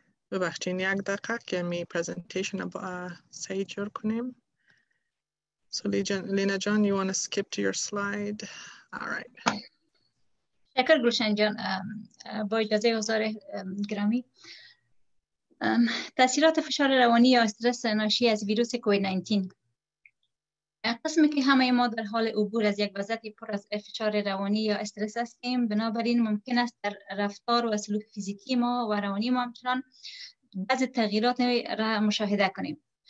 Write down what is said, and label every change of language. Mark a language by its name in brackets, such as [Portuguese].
[Persian] ببخشین یک دقیقه که می پریزنتیشن با سعید جور کنیم. [English] So Lina John, you want to skip to your slide? All right. [Persian] شکر گلشن جان با اجازه حضار گرامی. تاثیرات فشار روانی یا استرس ناشی از ویروس کووید-19. قسمی که همه ما در حال عبور از یک وضعیت پر از فشار روانی یا استرس هستیم، بنابراین ممکن است در رفتار و سلوک فیزیکی ما و روانی ما همچنان بعضی تغییرات را مشاهده کنیم.